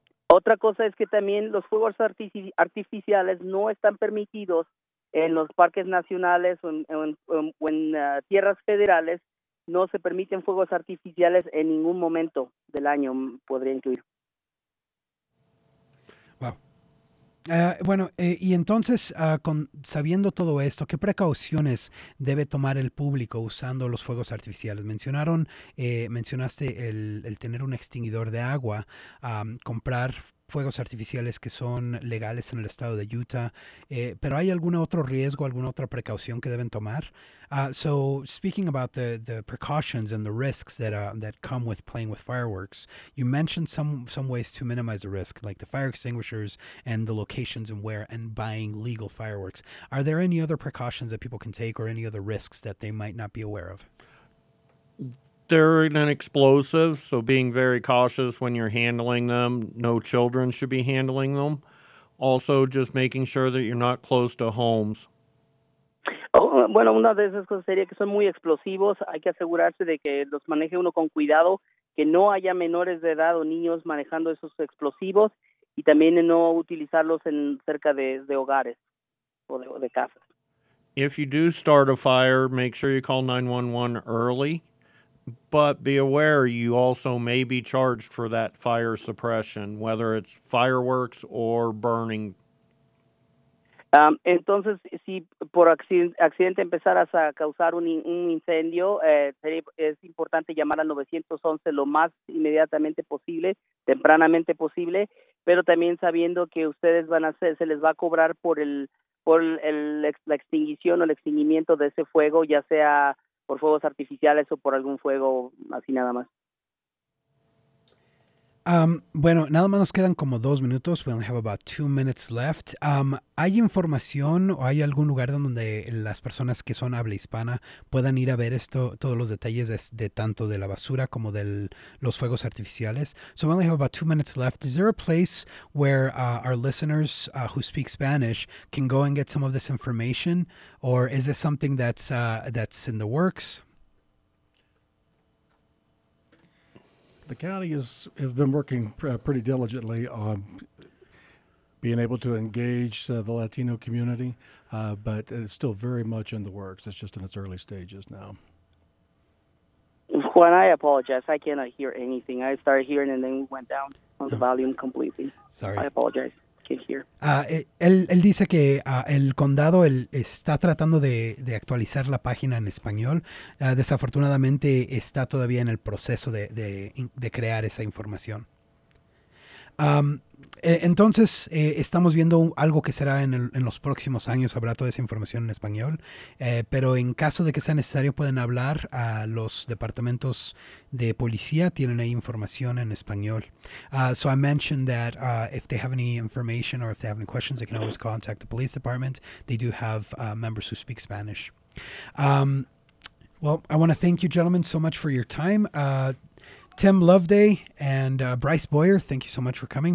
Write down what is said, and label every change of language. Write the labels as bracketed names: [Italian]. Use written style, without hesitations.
[Spanish] Otra cosa es que también los fuegos artificiales no están permitidos en los parques nacionales o en tierras federales. No se permiten fuegos artificiales en ningún momento del año, podría incluir. Y entonces, sabiendo todo esto, ¿qué precauciones debe tomar el público usando los fuegos artificiales? Mencionaste el tener un extinguidor de agua, comprar fuegos artificiales que son legales en el estado de Utah, pero ¿hay algún otro riesgo, alguna otra precaución que deben tomar? [English] So, speaking about the precautions and the risks that come with playing with fireworks, you mentioned some ways to minimize the risk, like the fire extinguishers and the locations and where and buying legal fireworks. Are there any other precautions that people can take or any other risks that they might not be aware of? They're an explosive, so being very cautious when you're handling them. No children should be handling them. Also, just making sure that you're not close to homes. [Spanish] Bueno, una de esas cosas sería que son muy explosivos. Hay que asegurarse de que los maneje uno con cuidado, que no haya menores de edad o niños manejando esos explosivos y también no utilizarlos en cerca de hogares o de casas. [English] If you do start a fire, make sure you call 911 early, but be aware you also may be charged for that fire suppression, whether it's fireworks or burning. [Spanish] Entonces, si por accidente empezaras a causar un incendio, es importante llamar al 911 lo más inmediatamente posible, tempranamente posible, pero también sabiendo que ustedes se les va a cobrar por la extinguición o el extinguimiento de ese fuego, ya sea por fuegos artificiales o por algún fuego así nada más. Bueno, nada más nos quedan como 2 minutos. [English] We only have about 2 minutes left. [Spanish] ¿Hay información o hay algún lugar donde las personas que son habla hispana puedan ir a ver esto, todos los detalles de tanto de la basura como de los fuegos artificiales? [English] So we only have about 2 minutes left. Is there a place where our listeners who speak Spanish can go and get some of this information? Or is this something that's in the works? The county has been working pretty diligently on being able to engage the Latino community, but it's still very much in the works. It's just in its early stages now. Juan, I apologize. I cannot hear anything. I started hearing and then went down on the volume completely. Sorry. I apologize. [Spanish] Él dice que el condado está tratando de actualizar la página en español. Desafortunadamente está todavía en el proceso de crear esa información. Entonces, estamos viendo algo que será en los próximos años, habrá toda esa información en español, pero en caso de que sea necesario pueden hablar a los departamentos de policía, tienen ahí información en español. [English] So I mentioned that if they have any information or if they have any questions, they can always contact the police department. They do have members who speak Spanish. Well, I want to thank you gentlemen so much for your time. Tim Loveday and Bryce Boyer, thank you so much for coming.